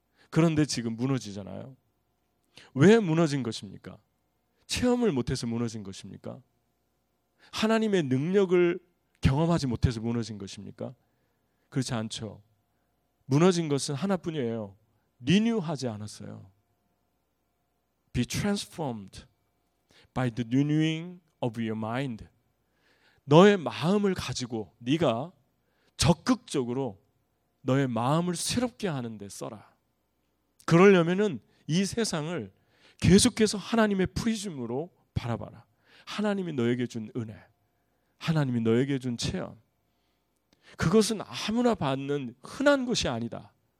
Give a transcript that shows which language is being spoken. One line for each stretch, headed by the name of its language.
Korean: 그런데 지금 무너지잖아요. 왜 무너진 것입니까? 체험을 못해서 무너진 것입니까? 하나님의 능력을 경험하지 못해서 무너진 것입니까? 그렇지 않죠. 무너진 것은 하나뿐이에요. 리뉴하지 않았어요.
English: Be transformed by the renewing of your mind.
Korean: 너의 마음을 가지고 네가 적극적으로 너의 마음을 새롭게 하는 데 써라. 그러려면은 이 세상을 계속해서 하나님의 프리즘으로 바라봐라. 하나님이 너에게 준 은혜, 하나님이 너에게 준 체험, 그것은 아무나 받는 흔한 것이 아니다.